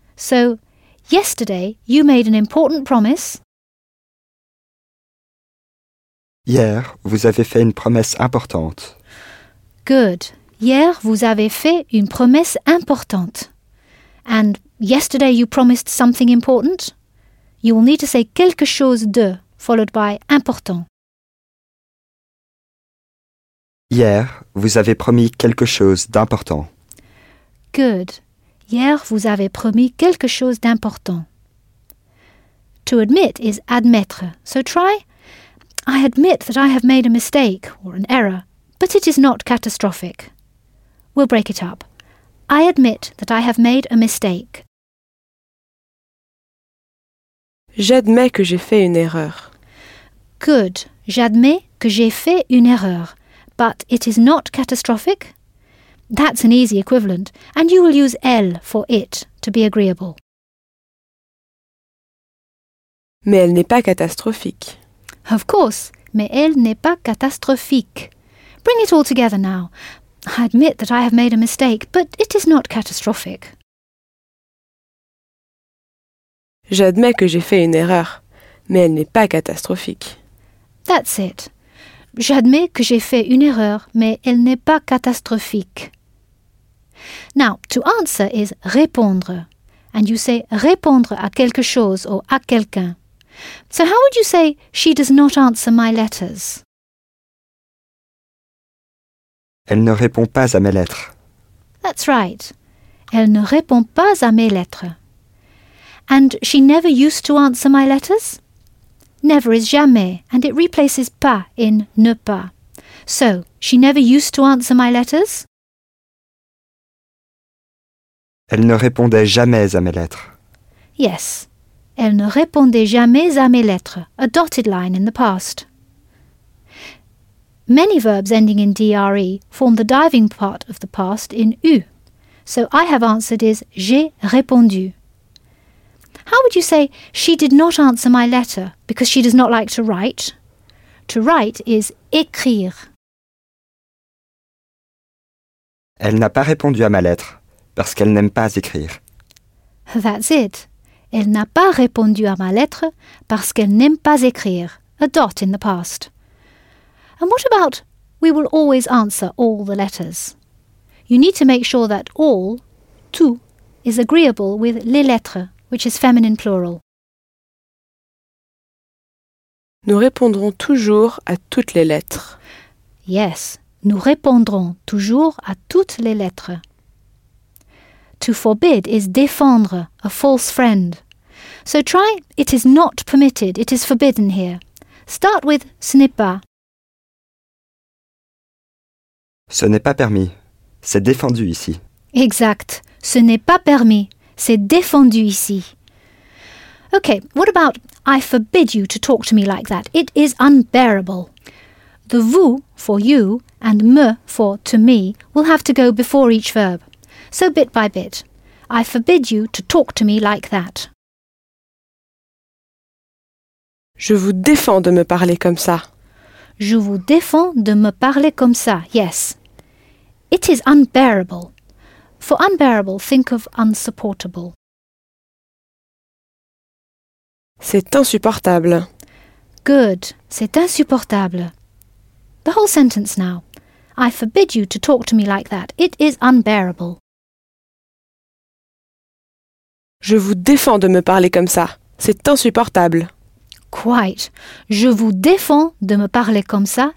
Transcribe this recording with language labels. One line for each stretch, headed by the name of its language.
English: So, yesterday you made an important promise.
French: Hier, vous avez fait une promesse importante.
English: Good.
French: Hier, vous avez fait une promesse importante.
English: And yesterday you promised something important? You will need to say
French: quelque chose de,
English: followed by important.
French: Hier, vous avez promis quelque chose d'important.
English: Good.
French: Hier, vous avez promis quelque chose d'important.
English: To admit is admettre. So try... I admit that I have made a mistake, or an error, but it is not catastrophic. We'll break it up. I admit that I have made a mistake.
French: J'admets que j'ai fait une erreur.
English: Good.
French: J'admets que j'ai fait une erreur,
English: but it is not catastrophic. That's an easy equivalent, and you will use elle for it to be agreeable.
French: Mais elle n'est pas catastrophique.
English: Of course,
French: mais elle n'est pas catastrophique.
English: Bring it all together now. I admit that I have made a mistake, but it is not catastrophic.
French: J'admets que j'ai fait une erreur, mais elle n'est pas catastrophique.
English: That's it.
French: J'admets que j'ai fait une erreur, mais elle n'est pas catastrophique.
English: Now, to answer is répondre. And you say
French: répondre à quelque chose
English: or
French: à quelqu'un.
English: So how would you say she does not answer my letters?
French: Elle ne répond pas à mes lettres.
English: That's right.
French: Elle ne répond pas à mes lettres.
English: And she never used to answer my letters? Never is jamais, and it replaces pas in
French: ne pas.
English: So, she never used to answer my letters?
French: Elle ne répondait jamais à mes lettres. Yes, elle ne répondait jamais à mes lettres.
English: A dotted line in the past. Many verbs ending in dre form the diving part of the past in u. So, I have answered is
French: j'ai répondu.
English: How would you say, she did not answer my letter, because she does not like to write? To write is écrire.
French: Elle n'a pas répondu à ma lettre, parce qu'elle n'aime pas écrire.
English: That's it.
French: Elle n'a pas répondu à ma lettre, parce qu'elle n'aime pas écrire.
English: A dot in the past. And what about, we will always answer all the letters? You need to make sure that all, tout, is agreeable with
French: les lettres.
English: Which is feminine plural.
French: Nous répondrons toujours à toutes les lettres. Yes, nous répondrons toujours à toutes les lettres.
English: To forbid is défendre, a false friend. So try, it is not permitted, it is forbidden here. Start with
French: ce n'est pas. Ce n'est pas permis, c'est défendu ici. Exact, ce n'est pas permis. C'est défendu ici.
English: Okay, what about I forbid you to talk to me like that? It is unbearable. The vous for you and me for to me will have to go before each verb. So bit by bit. I forbid you to talk to me like that.
French: Je vous défends de me parler comme ça. Je vous défends de me parler comme ça, yes.
English: It is unbearable. For unbearable, think of unsupportable.
French: C'est insupportable.
English: Good.
French: C'est insupportable.
English: The whole sentence now. I forbid you to talk to me like that. It is unbearable.
French: Je vous défends de me parler comme ça. C'est insupportable.
English: Quite.
French: Je vous défends de me parler comme ça.